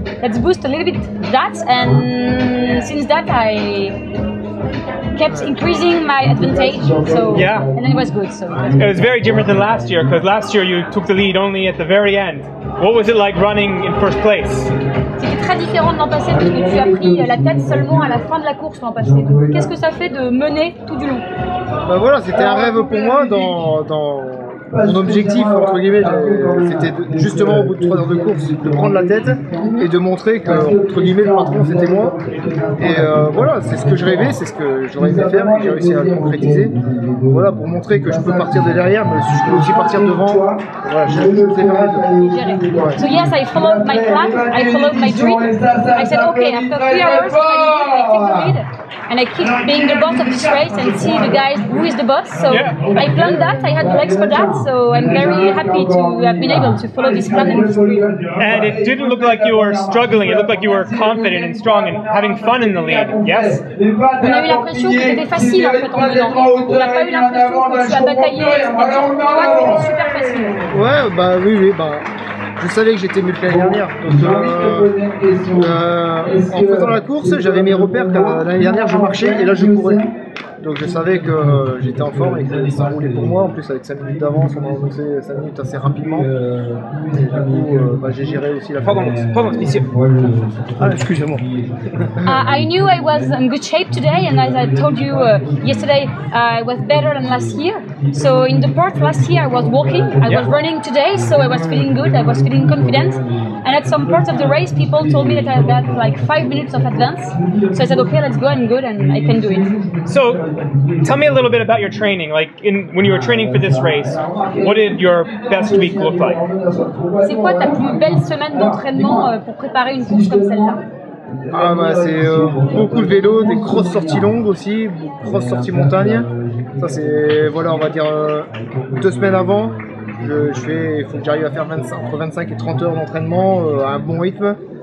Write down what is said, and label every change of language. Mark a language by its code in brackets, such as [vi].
[en] Let's boost a little bit that. And since that, I kept increasing my advantage. So yeah. And then it was good. So it was very different than last year, because last year you took the lead only at the very end. What was it like running in first place? [fr] C'est différent de l'an passé parce que tu as pris la tête seulement à la fin de la course l'an passé. Qu'est-ce que ça fait de mener tout du long? Voilà, c'était un rêve pour moi dans mon objectif, entre guillemets, c'était justement au bout de 3 heures de course de prendre la tête et de montrer que, entre guillemets, le patron c'était moi. Et voilà, c'est ce que je rêvais, c'est ce que j'aurais aimé faire, j'ai réussi à le concrétiser. Voilà, pour montrer que je peux partir de derrière, mais je peux aussi partir devant. Voilà, j'ai fait un peu de. [en] So, yes, I followed my plan, I followed my dream. I said, okay, after 3 hours, I take the lead. And I keep being the boss of this race and see the guys who is the boss. So yeah. I planned that, I had the legs for that. So I'm very happy to have been able to follow this plan. And it didn't look like you were struggling. It looked like you were confident and strong and having fun in the lead. Yes? [fr] On a eu l'impression que c'était facile en fait en dedans. On n'a pas eu l'impression que tu as bataillé. C'était super facile. Ouais, bah oui, bah. Je savais que j'étais mieux que l'année dernière. En faisant la course, j'avais mes repères car l'année dernière je marchais et là je courais. Donc je savais que j'étais en forme et que ça roulait pour moi. En plus, avec 5 minutes d'avance, on a avancé 5 minutes assez rapidement. Et du coup, j'ai géré aussi la course. Pardon, monsieur. Ah, excusez-moi. [en] I knew I was in good shape today, and as I told you yesterday, I was better than last year. So in the part last year, I was walking, I was running today, so I was feeling good, I was feeling confident. And at some part of the race, people told me that I had like 5 minutes of advance. So I said, okay, let's go, I'm good, and I can do it. So tell me a little bit about your training. Like when you were training for this race, what did your best week look like? [fr] C'est quoi ta plus belle semaine d'entraînement pour préparer une course comme celle-là? C'est beaucoup de vélo, des grosses sorties longues aussi, grosses sorties montagne. Ça c'est, voilà, on va dire 2 semaines avant, il faut que j'arrive à faire entre 25 et 30 heures d'entraînement à un bon rythme.